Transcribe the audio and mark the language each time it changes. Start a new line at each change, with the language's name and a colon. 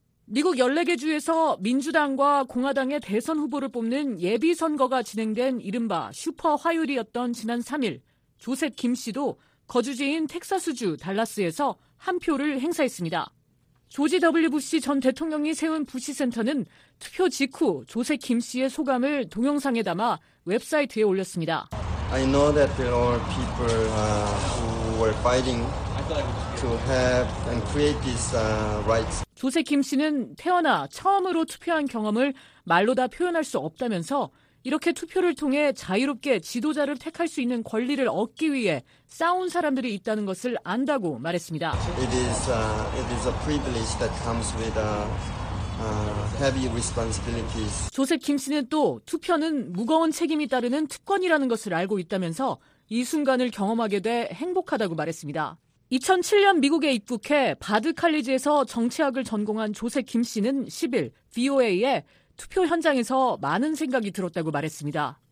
Korean: 미국 14개 주에서 민주당과 공화당의 대선 후보를 뽑는 예비선거가 진행된 이른바 슈퍼 화요일이었던 지난 3일, 조셉 김 씨도 거주지인 텍사스주 달라스에서 한 표를 행사했습니다. 조지 W. 부시 전 대통령이 세운 부시 센터는 투표 직후 조셉 김 씨의 소감을 동영상에 담아 웹사이트에 올렸습니다.
English: I know that there are people who were fighting to have and create these rights.
Korean: 조세 김 씨는 태어나 처음으로 투표한 경험을 말로 다 표현할 수 없다면서 이렇게 투표를 통해 자유롭게 지도자를 택할 수 있는 권리를 얻기 위해 싸운 사람들이 있다는 것을 안다고 말했습니다.
English: It is a privilege that comes with heavy responsibilities.
Korean: 조셉 김 씨는 또 투표는 무거운 책임이 따르는 특권이라는 것을 알고 있다면서 이 순간을 경험하게 돼 행복하다고 말했습니다. 2007년 미국에 입국해 바드 칼리지에서 정치학을 전공한 조셉 김 씨는 10일 VOA에 투표 현장에서 많은 생각이 들었다고 말했습니다.